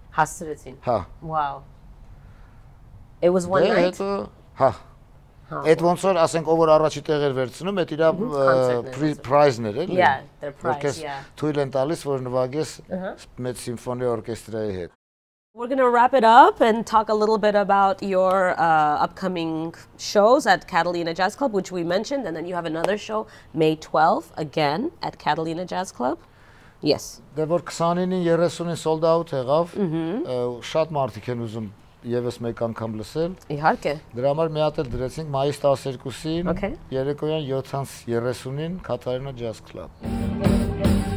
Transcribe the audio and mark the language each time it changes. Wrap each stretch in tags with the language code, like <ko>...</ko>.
<hy>Հասցրեցին։ Հա։</hy> <en>Wow. It was one night.</en> <hy>Հետո, հա։ Այդ ոնց որ ասենք, ով որ առաջի տեղ էր վերցնում, այդ իր prize-ներ էլի։</hy> <en>Yeah, their prize, yeah.</en> <hy>Թույլ են տալիս, որ նվագես մեծ սիմֆոնի օրկեստրայի հետ։</hy> <en>We're going to wrap it up and talk a little bit about your upcoming shows at Catalina Jazz Club, which we mentioned, and then you have another show May 12th again at Catalina Jazz Club. Yes.</en> <hy>Դե որ 29-ին 30-ին sold out եղավ, շատ մարդիկ են ուզում եւս մեկ անգամ լսել։ Իհարկե։ Դրա համար մի հատ էլ դրեցինք մայիս 12-ին, երեկոյան 7:30-ին Catalina Jazz Club։</hy>